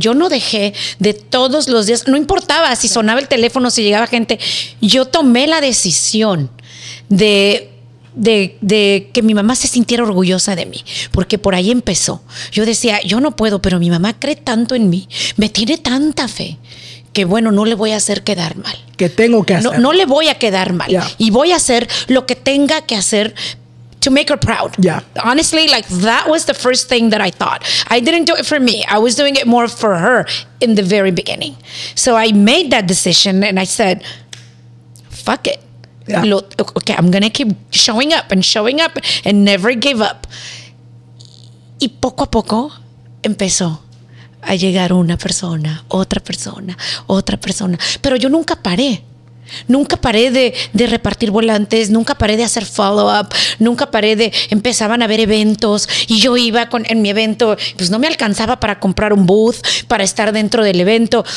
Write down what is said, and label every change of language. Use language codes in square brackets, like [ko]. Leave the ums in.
[es] Yo no dejé de todos los días, no importaba si sonaba el teléfono, si llegaba gente, yo tomé la decisión de, de, de, que mi mamá se sintiera orgullosa de mí, porque por ahí empezó. Yo decía, yo no puedo, pero mi mamá cree tanto en mí, me tiene tanta fe. Que bueno, no le voy a hacer quedar mal. Que tengo que hacer. No, no le voy a quedar mal. Yeah. Y voy a hacer lo que tenga que hacer [en] to make her proud. Yeah. Honestly, like that was the first thing that I thought. I didn't do it for me. I was doing it more for her in the very beginning. So I made that decision and I said, fuck it. Yeah. Lo, okay, I'm going to keep showing up and showing up and never give up. [es] Y poco a poco empezó a llegar una persona, otra persona, otra persona. Pero yo nunca paré. Nunca paré de, de, repartir volantes, nunca paré de hacer follow-up, nunca paré de. Empezaban a haber eventos y yo iba con, en mi evento, pues no me alcanzaba para comprar un booth, para estar dentro del evento.